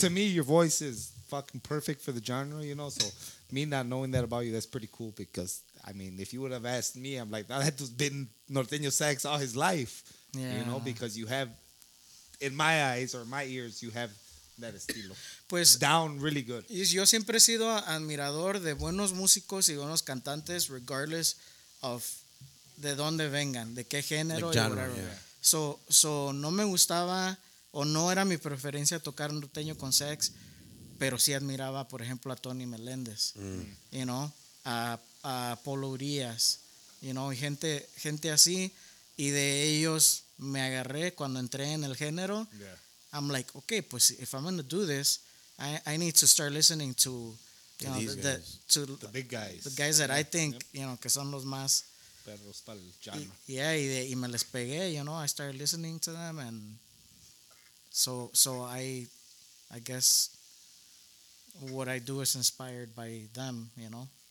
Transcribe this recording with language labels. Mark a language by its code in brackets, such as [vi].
[en] To me, your voice is fucking perfect for the genre, you know, so me not knowing that about you, that's pretty cool because, I mean, if you would have asked me, I'm like, that had to have been Norteño Sax all his life, yeah, you know, because you have, in my eyes or my ears, you have that estilo [es] pues, [en] down really good. [es] Y yo siempre he sido admirador de buenos músicos y buenos cantantes, [en] regardless of [es] de dónde vengan, de qué género, [en] like genre, [es] y [en] yeah. [es] So no me gustaba o no era mi preferencia tocar norteño con Sax. Pero sí admiraba, por ejemplo, a Tony Meléndez, you know, a Polo Urías, you know, gente así. Y de ellos me agarré cuando entré en el género. [en] Yeah. I'm like, okay, pues if I'm going to do this, I need to start listening to, you know, the big guys. The guys that, yeah, I think, yep, you know, [es] que son los más. Perros para el genre. [en] Yeah, [es] y me les pegué, [en] you know, I started listening to them. And so I guess what I do is inspired by them, you know.